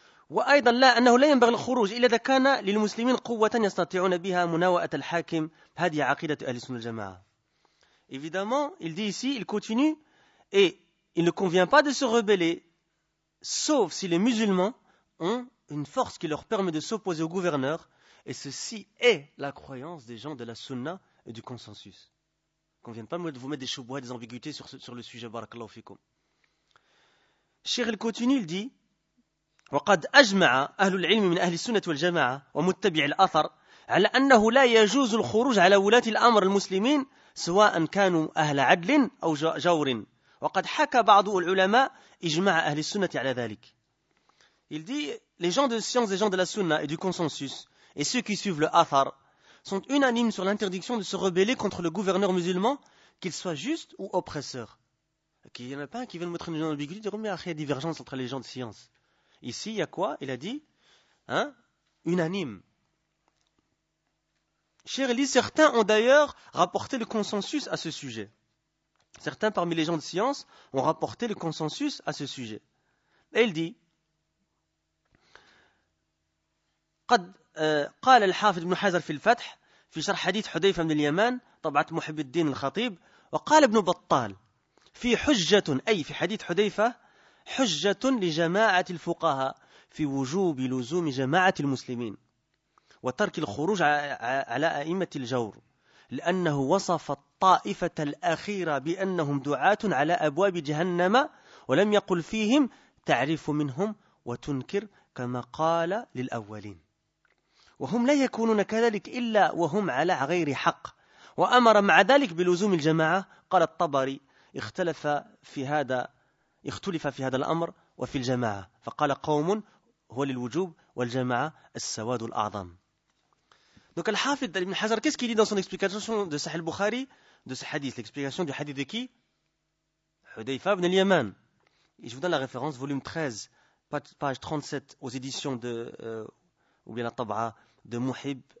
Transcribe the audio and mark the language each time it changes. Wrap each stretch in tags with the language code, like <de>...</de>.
<ar>وأيضا لا أنه لا ينبغي الخروج إلا إذا كان للمسلمين قوة يستطيعون بها مناوءة الحاكم هذه عقيدة أهل السنة والجماعة.</ar> <fr>Évidemment, il dit ici, il continue, et il ne convient pas de se rebeller, sauf si les musulmans ont une force qui leur permet de s'opposer au gouverneur, et ceci est la croyance des gens de la sunna et du consensus. Qu'on ne vienne pas vous mettre des choubois, des ambiguïtés sur le sujet,</fr> <ar>barakallahu fikum.</ar> <fr>Cheikh al-Koutini, il dit,</fr> <ar>وَقَدْ أَجْمَعَ أَهْلُ الْعِلْمِ مِنْ أَهْلِ السُنَّةِ وَالْجَمَعَةِ وَمُتَّبِعِ الْأَثَرِ عَلَى أَنَّهُ لَا يَجُوزُ الْخُرُوجُ عَلَى وُلَاتِ الْأَمْرِ الْمُسْلِمِينَ سَوَاءً كَانُوا أَهْلَ عَدْلٍ أَوْ جَوْرٍ وَقَدْ حَكَى بَعْضُ الْعُلَمَاءِ إِجْمَاعَ أَهْلِ السُنَّةِ عَلَى ذَلِكَ.</ar> <fr>Il dit, les gens de science, les gens de la sunna et du consensus, et ceux qui suivent le athar, sont unanimes sur l'interdiction de se rebeller contre le gouverneur musulman, qu'il soit juste ou oppresseur. Il n'y en a pas un qui veut nous montrer une ambiguïté, dire, mais il y a divergence entre les gens de science. Ici, il y a quoi? Il a dit, hein, unanime. Cher Ali, certains ont d'ailleurs rapporté le consensus à ce sujet. Certains parmi les gens de science ont rapporté le consensus à ce sujet. Et il dit,</fr> <ar>قد قال الحافظ ابن حجر في الفتح في شرح حديث حذيفة بن اليمان طبعة محب الدين الخطيب وقال ابن بطال في حجة أي في حديث حذيفة حجة لجماعة الفقهاء في وجوب لزوم جماعة المسلمين وترك الخروج على أئمة الجور لأنه وصف الطائفة الأخيرة بأنهم دعاة على أبواب جهنم ولم يقل فيهم تعرف منهم وتنكر كما قال للأولين وهم لا يكونون كذلك إلا وهم على غير حق وأمر مع ذلك بلزوم الجماعة قال الطبري اختلف في هذا الأمر وفي الجماعة فقال قوم هو للوجوب والجماعة السواد الأعظم.</ar> <fr>Donc le Hafid Ibn Hajar, qu'est-ce qu'il dit dans son explication de Sahih al-Bukhari de ce hadith, l'explication du hadith de qui? Hudayfa ibn al-Yaman. Et je vous donne la référence, volume 13, page 37 aux éditions de ou bien la tab'a de Muhib</fr>